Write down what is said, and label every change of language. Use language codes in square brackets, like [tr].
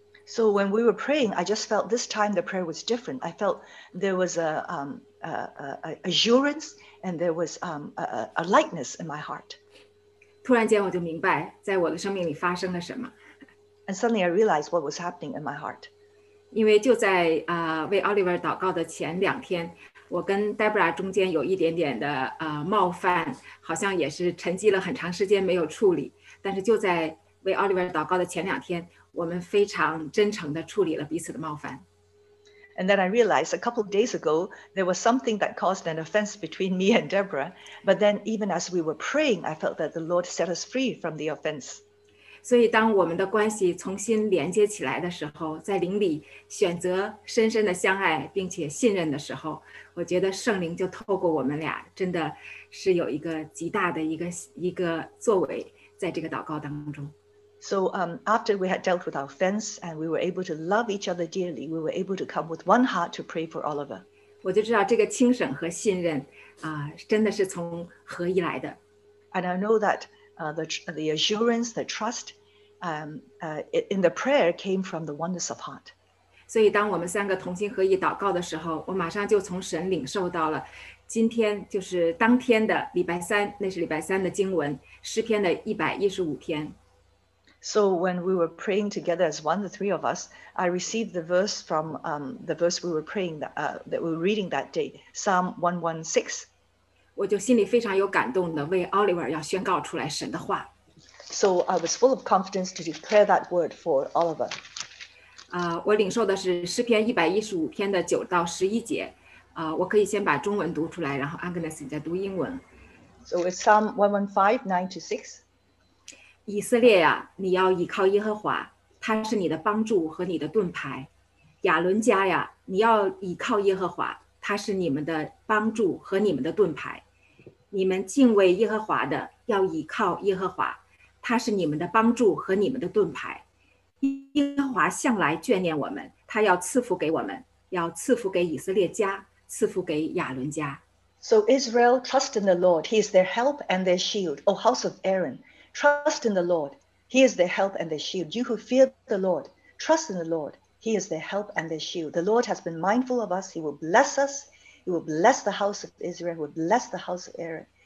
[en] So when we were praying, I just felt this time the prayer was different. I felt there was a assurance and there was a lightness in my heart. [zh] 突然间我就明白在我的生命里发生了什么。 [en] And suddenly I realized what was happening in my heart. [zh] 因为就在为 Oliver 祷告的前两天，我跟 Deborah 中间有一点点的冒犯，好像也是沉积了很长时间没有处理。但是就在为 Oliver 祷告的前两天，我们非常真诚地处理了彼此的冒犯。 [en] And then I realized a couple of days ago, there was something that caused an offense between me and Deborah. But then even as we were praying, I felt that the Lord set us free from the offense. [zh] 所以当我们的关系重新连接起来的时候，在灵里选择深深的相爱并且信任的时候，我觉得圣灵就透过我们俩真的是有一个极大的一个作为在这个祷告当中。 [en] So after we had dealt with our offense and we were able to love each other dearly, we were able to come with one heart to pray for Oliver. [zh] 我就知道这个清省和信任真的是从合一来的。 [en] And I know thatthe assurance, the trust, in the prayer came from the oneness of heart. [zh] 所以当我们三个同心合意祷告的时候，我马上就从神领受到了今天就是当天的礼拜三，那是礼拜三的经文，诗篇的115篇。 [en] So when we were praying together as one, the three of us, I received the verse from the verse we were praying that we were reading that day, Psalm 116. [zh] 我就心里非常有感动的为 Oliver 要宣告出来神的话。 [en] So I was full of confidence to declare that word for Oliver. [zh] 我领受的是诗篇115篇的9-11节。我可以先把中文读出来，然后 Agnes 再读英文。 [en] So it's Psalm 115:9-6. [zh] 以色列呀，你要倚靠耶和华，他是你的帮助和你的盾牌。亚伦家呀，你要倚靠耶和华。他是你们的帮助和你们的盾牌，你们敬畏耶和华的要倚靠耶和华，他是你们的帮助和你们的盾牌。耶和华向来眷念我们，他要赐福给我们，要赐福给以色列家，赐福给亚伦家。 [en] So Israel, trust in the Lord, he is their help and their shield. O house of Aaron, trust in the Lord, he is their help and their shield. You who fear the Lord, trust in the Lord. He is their help and their shield. The Lord has been mindful of us. He will bless us. He will bless the house of Israel. He will bless the house of Aaron.